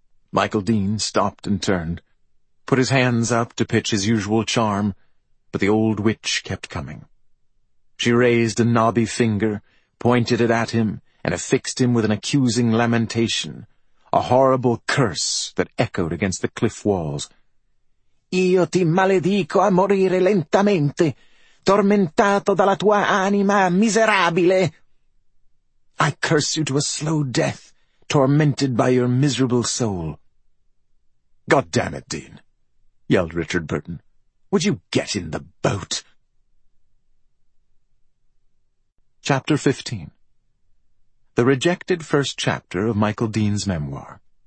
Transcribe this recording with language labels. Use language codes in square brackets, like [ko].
[en] Michael Dean stopped and turned, put his hands up to pitch his usual charm, but the old witch kept coming. She raised a knobby finger, pointed it at him, and affixed him with an accusing lamentation, a horrible curse that echoed against the cliff walls. [it] Io ti maledico a morire lentamente, tormentato dalla tua anima miserabile. [en] I curse you to a slow death, tormented by your miserable soul. God damn it, Dean, yelled Richard Burton. Would you get in the boat? Chapter 15. The rejected first chapter of Michael Dean's memoir.